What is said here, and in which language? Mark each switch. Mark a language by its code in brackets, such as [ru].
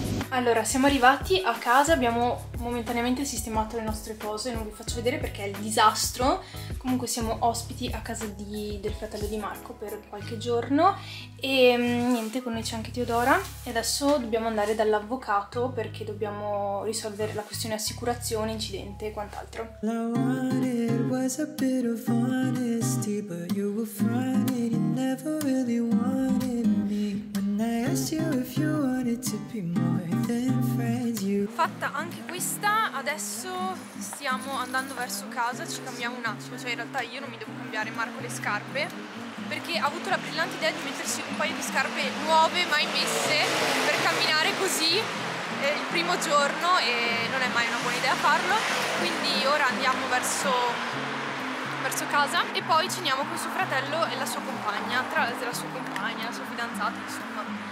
[it] Allora, siamo arrivati a casa, abbiamo momentaneamente sistemato le nostre cose, non vi faccio vedere perché è il disastro. Comunque siamo ospiti a casa del fratello di Marco per qualche giorno e niente, con noi c'è anche Teodora. E adesso dobbiamo andare dall'avvocato perché dobbiamo risolvere la questione assicurazione, incidente e quant'altro. [en] Was a bit of honesty, but you were frightened. You never really wanted me. When I asked you if you wanted to be more than friends, you. [it] Fatta anche questa, adesso stiamo andando verso casa. Ci cambiamo un attimo, cioè in realtà io non mi devo cambiare, Marco, le scarpe, perché ha avuto la brillante idea di mettersi un paio di scarpe nuove, mai messe, per camminare così il primo giorno, e non è mai una buona idea farlo, quindi ora andiamo verso casa e poi ceniamo con suo fratello e la sua compagna, tra l'altro la sua compagna, la sua fidanzata, insomma.